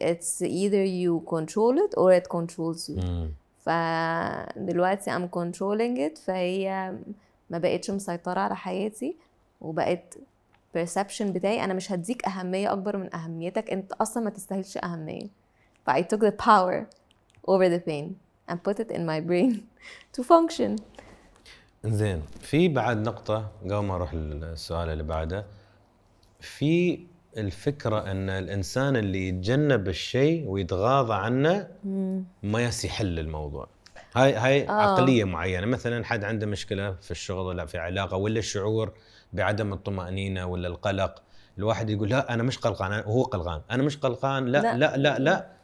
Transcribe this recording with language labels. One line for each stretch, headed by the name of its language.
English: It's either you control it or it controls you.
Arabic: فدلوقتي
English: I'm controlling it،
Arabic: فهي ما بقتش مسيطرة على حياتي وبقت perception بتاعي انا مش هديك اهمية اكبر من اهميتك، انت اصلا ما تستاهلش اهمية.
English: ف I took the power over the pain and put it in my brain to function.
Arabic: انزين، في بعد نقطة قبل ما اروح للسؤال اللي بعده، في الفكرة ان الانسان اللي يتجنب الشيء ويتغاضى عنه ما يحل الموضوع. هاي عقلية معينة، مثلا حد عنده مشكلة في الشغل ولا في علاقة ولا الشعور بعدم الطمأنينة ولا القلق، الواحد يقول لا انا مش قلقان، هو قلقان، انا مش قلقان، لا لا لا لا, لا.